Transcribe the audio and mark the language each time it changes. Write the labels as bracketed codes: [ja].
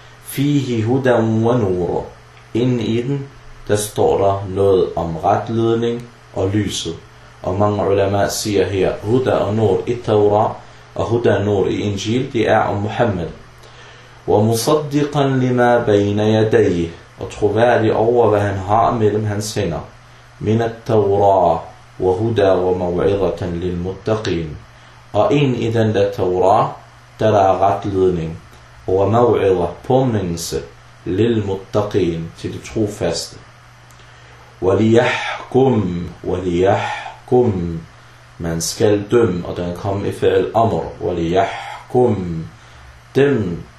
[ar] فِيهِ هُدًا وَنُورُ, [da] ind i den, der står der noget om retledning og lyset. Og mange ulama siger her, huda og nur i Tawrah, og huda og nur i Injil, det er om Muhammed. [ar] وَمُصَدِّقًا لِمَا بَيْنَ يَدَيْهِ, [da] og troværdig over, hvad han har mellem hans hænder. [ar] من التوراة وهدى وموعظة للمتقين. [da] Og ind i den der Torah, der er retledning og موعظة, påmindelse, للمتقين, til de trofaste. [ar] وليحكم, وليحكم, [da] man skal dømme, og den kommer i fælde amr, [ar] وليحكم, [da] dem